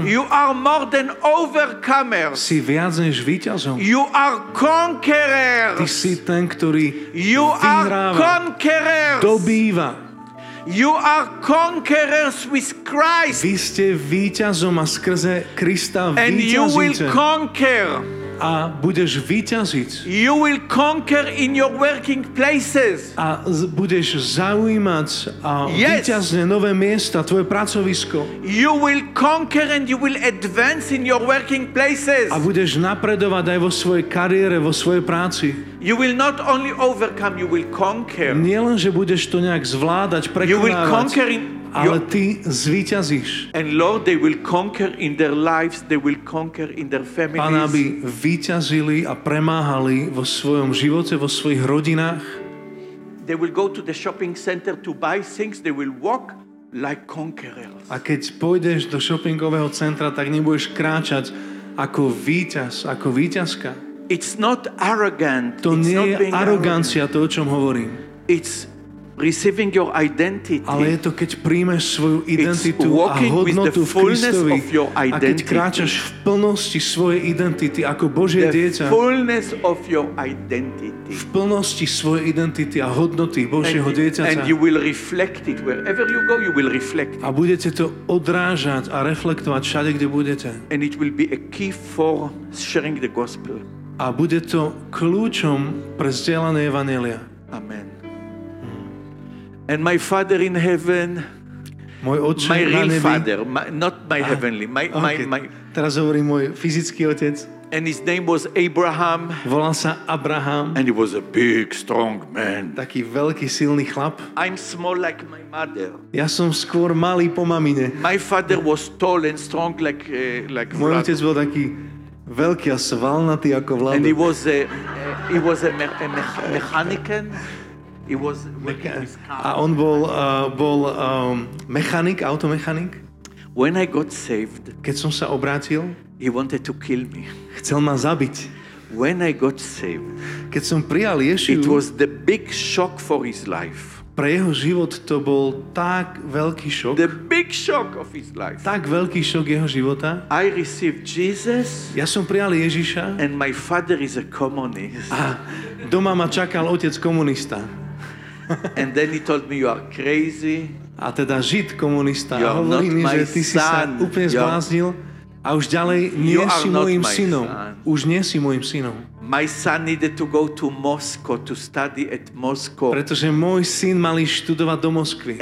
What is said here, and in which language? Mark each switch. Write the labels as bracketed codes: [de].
[en] You are more than overcomers. [sk] Si viac než víťazom. [en] You are conquerors. [sk] Ty si ten, ktorý [en] you [sk] vyhráva. [en] Are conquerors. [sk] Dobýva. [en] You are conquerors with Christ. [sk] Vy ste víťazom a skrze Krista víťazíte. [en] And you will conquer. [sk] a budeš víťaziť. [en] You will conquer in your working places. [sk] A budeš zaujímať a [en] yes. [sk] víťazne nové miesta, tvoje pracovisko. [en] You will conquer and you will advance in your working places. [sk] A budeš napredovať aj vo svojej kariére, vo svojej práci. [en] You will not only overcome, you will conquer. [sk] Nie len, že budeš to nejak zvládať, prekonávať. [en] You will conquer in [sk] ale ty zvíťazíš. [en] And Lord, they will conquer in their lives, they will conquer in their families. [sk] Pán, aby vyťazili a premáhali vo svojom živote, vo svojich rodinách. [en] They will go to the shopping center to buy things, they will walk like conquerors. [sk] A keď pôjdeš do shoppingového centra, tak nebudeš kráčať ako víťaz, ako víťazka. [en] It's not arrogant. [sk] To nie je arogancia, to, o čom hovorím. [en] It's receiving your identity. [sk] Ale je to, keď príjmeš svoju identitu a hodnotu v Kristovi. A keď kráčaš v plnosti svojej identity ako Božie dieťa. V plnosti svojej identity a hodnoty Božieho dieťaťa. [en] And you will reflect it wherever you go, you will reflect it. [sk] A budete to odrážať a reflektovať všade, kde budete. [en] And it will be a key for sharing the gospel. [sk] A bude to kľúčom pre zdieľanie evanjelia. [en] Amen. And my Father in heaven, [sk] môj otec [en] my real [sk] nebi, [en] father, my, not my heavenly, my, okay. my... [sk] Teraz hovorím môj fyzický otec. [en] And his name was Abraham. [sk] Volal sa Abraham. [en] And he was a big, strong man. [sk] Taký veľký, silný chlap. [en] I'm small like my mother. [sk] Ja som skôr malý po mamine. [en] My father was tall and strong like [sk] môj otec bol taký veľký a svalnatý ako Vlado. [en] And he was a mechanician. He was working with car. [sk] A on bol mechanik, automechanik. [en] When I got saved, [sk] keď som sa obrátil, [en] he wanted to kill me. [sk] Chcel ma zabiť. [en] When I got saved, [sk] keď som prijal Ježiša, [en] it was the big shock for his life. [sk] Pre jeho život to bol tak veľký šok. [en] The big shock of his life. [sk] Tak veľký šok jeho života. [en] I received Jesus. [sk] Ja som prijal Ježiša. [en] And my father is a communist. [sk] A doma ma čakal otec komunista. [en] And then he told me you are crazy. [sk] A teda žid komunista. A hovorí mi, že ty si sa úplne zbláznil. A už ďalej nie si môjim synom. Už nie si môjim synom. [en] My son needed to go to Moscow to study at Moscow. [sk] Pretože môj syn mal ísť študovať do Moskvy.